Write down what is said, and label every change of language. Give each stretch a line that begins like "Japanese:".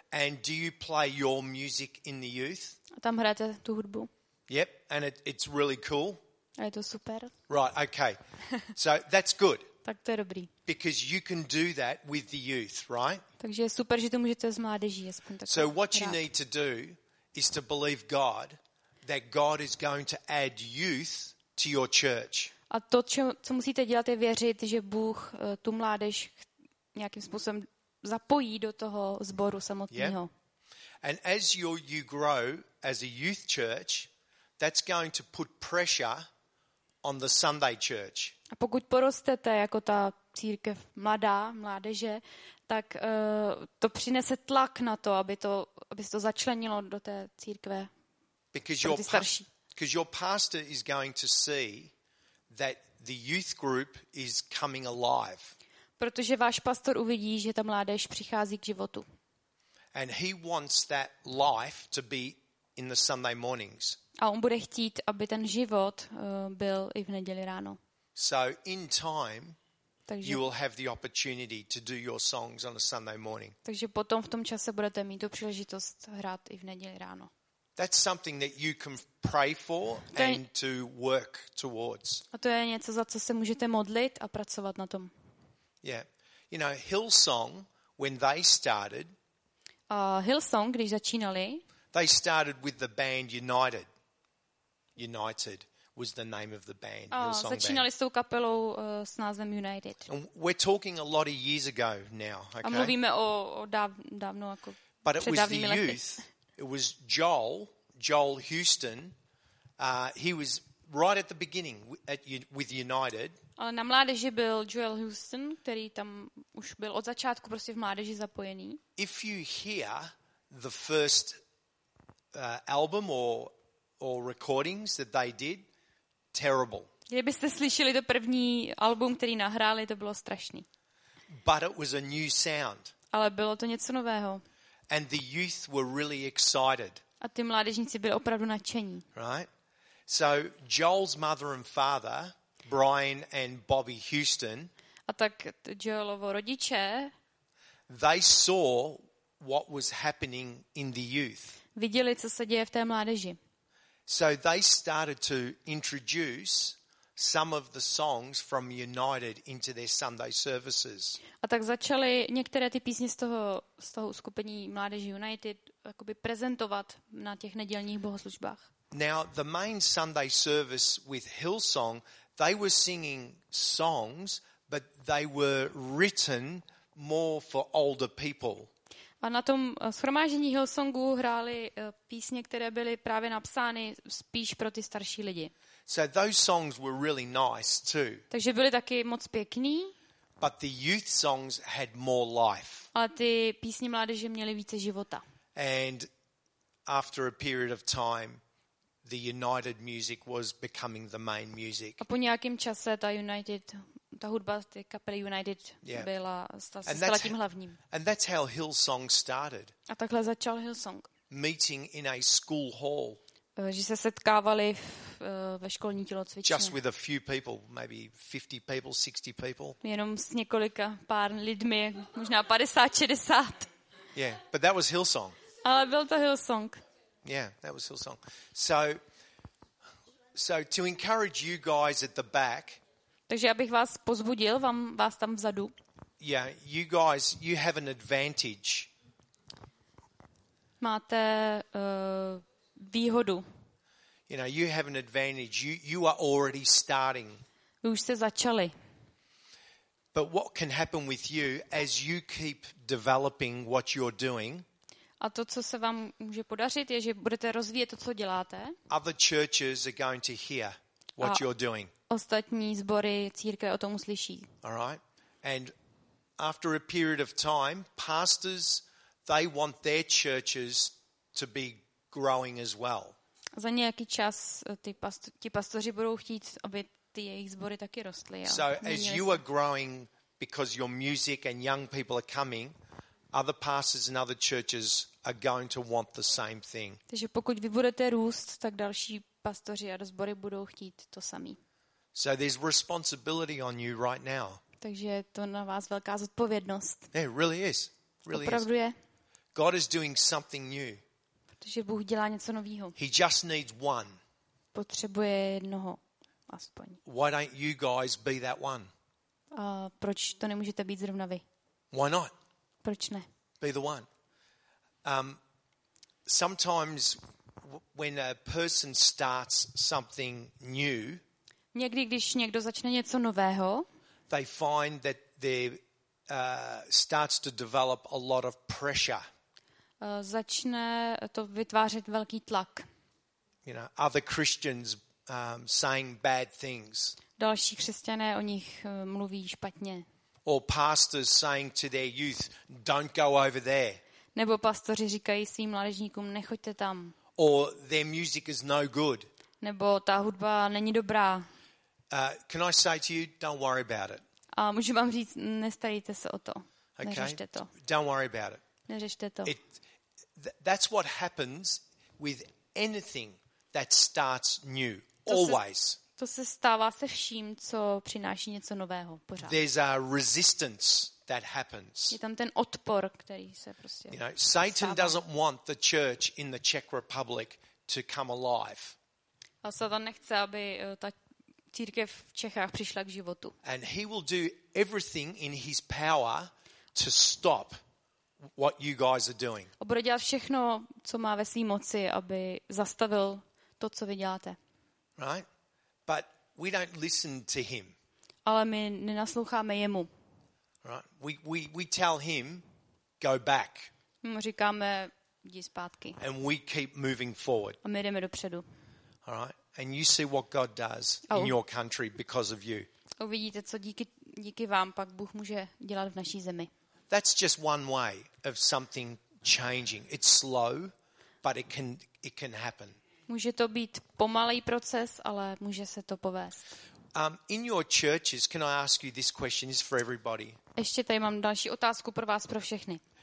English: And do you play your music in the youth?
Czech: A tam hrajete tu hudbu?
English: Yep. And it's really cool.
Czech: A je to super.
English: Right. Okay. So that's good.
Czech: Tak to je dobrý.
English: Because you can do that with the youth, right?
Czech: Takže je super, že to můžete s mládeží aspoň tak.
English: So what you need to do is to believe God that God is going to add youth to your church.
Czech: A to, co musíte dělat, je věřit, že Bůh tu mládež nějakým způsobem zapojí do toho sboru samotného.
English: Yeah. And as you grow as a youth church, that's going to put pressure on the Sunday church.
Czech: A pokud porostete jako ta církev mladá, mládeže, tak to přinese tlak na to, aby se to začlenilo do té církve.
English: Because your starší. Because your pastor is going to see that the youth group is coming alive.
Czech: Protože váš pastor uvidí, že ta mládež přichází k životu.
English: And he wants that life to be in the Sunday mornings.
Czech: A on bude chtít, aby ten život byl i v neděli ráno.
English: So in time Takže, you will have the opportunity to do your songs on a Sunday morning.
Czech: Takže potom v tom čase budete mít tu příležitost hrát i v neděli ráno.
English: That's something that you can pray for and to work towards.
Czech: A to je něco, za co se můžete modlit a pracovat na tom.
English: Yeah. You know, Hillsong when they started.
Czech: Hillsong, když začínali.
English: They started with the band United. United was the name of the band.
Czech: Začínali s tou kapelou s názvem United.
English: And we're talking a lot of years ago now, okay?
Czech: A mluvíme o dávno jako
English: But it was the youth. It was Joel Houston. He was right at the beginning with United.
Czech: Ale na mládeži byl Joel Houston, který tam už byl od začátku prostě v mládeži zapojený.
English: If you hear the first album or recordings that they did, terrible.
Czech: Kdybyste slyšeli to první album, který nahráli, to bylo strašný.
English: But it was a new sound.
Czech: Ale bylo to něco nového.
English: And the youth were really excited.
Czech: A ty mládežníci byli opravdu nadšení.
English: Right? So Joel's mother and father, Brian and Bobby Houston.
Czech: A tak Joelovo rodiče.
English: They saw what was happening in the youth.
Czech: Viděli, co se děje v té mládeži.
English: So they started to introduce some of the songs from United into their Sunday services.
Czech: A tak začali některé ty písně z toho uskupení mládeže United jakoby prezentovat na těch nedělních bohoslužbách.
English: Now the main Sunday service with Hillsong, they were singing songs, but they were written more for older people.
Czech: A na tom shromáždění Hillsongu hráli písně, které byly právě napsány spíš pro ty starší lidi.
English: So those songs were really nice too.
Czech: Takže byly taky moc pěkný.
English: But the youth songs had more life.
Czech: A ty písně mládeže měly více života.
English: And after a period of time, the United music was becoming the main music.
Czech: A po nějakém čase ta hudba ty kapely United byla stala tím hlavním.
English: And that's how Hillsong started.
Czech: A takhle začal Hillsong.
English: Meeting in a school hall.
Czech: Že se setkávali ve školní tělocvičně.
English: Just with a few people, maybe 50 people, 60 people.
Czech: Jenom s několika pár lidmi, možná 50, 60.
English: Yeah, but that was Hillsong.
Czech: Ale byl to Hillsong.
English: Yeah, that was Hillsong. So to encourage you guys at the back.
Czech: Takže abych vás pozbudil, vás tam vzadu.
English: Yeah, you guys, you have an advantage.
Czech: Máte výhodu.
English: You know, you have an advantage. You are already starting.
Czech: Vy už jste začali.
English: But what can happen with you as you keep developing what you're doing?
Czech: A to, co se vám může podařit, je, že budete rozvíjet to, co děláte.
English: Other churches are going to hear what you're doing.
Czech: Ostatní sbory církve o tom uslyší.
English: All right. And after a period of time, pastors, they want their churches to be growing as well.
Czech: Za nějaký čas ti pastoři budou chtít, aby ty jejich sbory taky rostly.
English: So as you are growing because your music and young people are coming, other pastors and other churches are going to want the same thing.
Czech: Takže pokud vy budete růst, tak další pastoři a sbory budou chtít to samé.
English: So there's responsibility on you right now.
Czech: Takže je to na vás velká zodpovědnost.
English: Yeah, it really is. Really
Czech: Opravdu
English: is.
Czech: Je.
English: God is doing something new.
Czech: Protože Bůh dělá něco novýho.
English: He just needs one.
Czech: Potřebuje jednoho aspoň.
English: Why don't you guys be that one?
Czech: A proč to nemůžete být zrovna vy?
English: Why not?
Czech: Proč ne?
English: Be the one. Sometimes when a person starts something new,
Czech: někdy, když někdo začne něco nového,
English: they find that they starts to develop a lot of pressure.
Czech: Začne to vytvářet velký tlak.
English: You know, other Christians saying bad things.
Czech: Další křesťané o nich mluví špatně.
English: Or pastors saying to their youth, don't go over there.
Czech: Nebo pastoři říkají svým mládežníkům, nechoďte tam.
English: Or their music is no good.
Czech: Nebo ta hudba není dobrá.
English: Can I say to you, don't worry about it.
Czech: A můžu vám říct, nestarejte se o to. Neřešte to.
English: Don't worry about it.
Czech: Neřešte to.
English: That's what happens with anything that starts new, always.
Czech: To se stává se vším, co přináší něco nového pořád.
English: There's a resistance that happens.
Czech: Je tam ten odpor, který se prostě.
English: You know, Satan doesn't want the church in the Czech Republic to come alive.
Czech: A Satan nechce, aby ta církev v Čechách přišla k životu.
English: And he will do everything in his power to stop what you guys are doing.
Czech: A bude dělat všechno, co má ve své moci, aby zastavil to, co vy děláte.
English: Right? But we don't listen to him.
Czech: Ale my nenasloucháme jemu.
English: Right? We tell him go back.
Czech: My říkáme jdi zpátky.
English: And we keep moving forward.
Czech: A my jdeme dopředu.
English: All right? And you see what God does in your country because of you.
Czech: Uvidíte, co díky vám pak Bůh může dělat v naší zemi.
English: That's just one way of something changing. It's slow, but it can happen.
Czech: Může to být pomalý proces, ale může se to povést.
English: In your churches, can I ask you this question? It's for everybody.
Czech: Ještě tady mám další otázku pro vás, pro všechny.